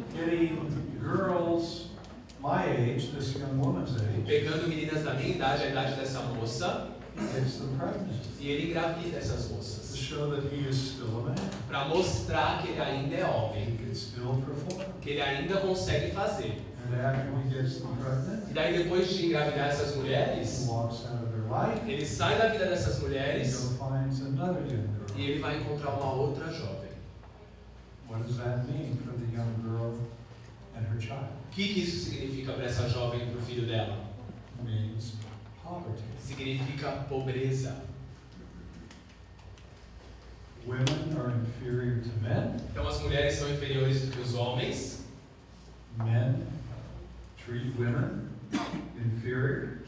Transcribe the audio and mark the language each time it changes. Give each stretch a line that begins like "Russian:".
English: Getting girls my age, this young woman's age.
Portuguese: Pegando meninas da minha idade, a idade dessa moça.
English: Gets them pregnant.
Portuguese: E ele engravida essas moças.
English: Show that he is still a man.
Portuguese: Para mostrar que ele ainda é homem.
English: He can still perform.
Portuguese: Que ele ainda consegue fazer.
English: And after he gets them pregnant,
Portuguese: e daí depois de engravidar essas mulheres,
English: he walks out of their life,
Portuguese: ele sai da vida dessas mulheres,
English: and he finds another young girl.
Portuguese: E ele vai encontrar uma outra jovem.
English: What does that mean for the young girl and her child?
Portuguese: Que isso significa para essa jovem e para o filho dela?
English: Means poverty.
Portuguese: Significa pobreza.
English: Women are inferior to men.
Portuguese: Então as mulheres são inferiores do que os homens.
English: Men treat women inferior.